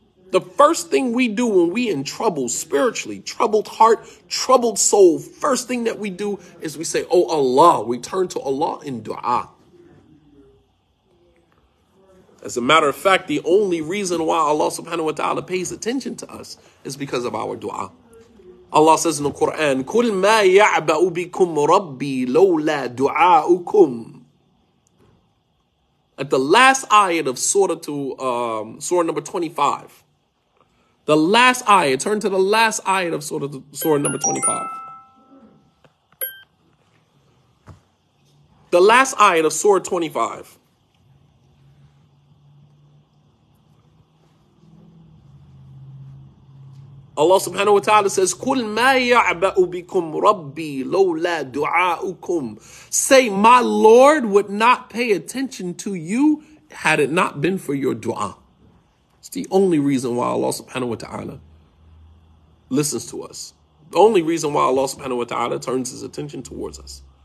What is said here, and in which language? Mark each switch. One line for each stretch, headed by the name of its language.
English: The first thing we do when we in trouble spiritually, troubled heart, troubled soul, first thing that we do is we say, oh Allah, we turn to Allah in dua. As a matter of fact, the only reason why Allah subhanahu wa ta'ala pays attention to us is because of our dua. Allah says in the Quran,
Arabic: كُلْ مَا يَعْبَأُ بِكُمْ رَبِّي لَوْلَا دُعَاءُكُمْ.
English: At the last ayat of surah number 25, the last ayah, turn to the last ayah of surah number 25. The last ayah of surah 25. Allah subhanahu wa ta'ala says,
Arabic: قُلْ مَا يَعْبَأُ بِكُمْ رَبِّي لَوْلَا دُعَاءُكُمْ.
English: Say, my Lord would not pay attention to you had it not been for your dua. It's the only reason why Allah subhanahu wa ta'ala listens to us. The only reason why Allah subhanahu wa ta'ala turns his attention towards us.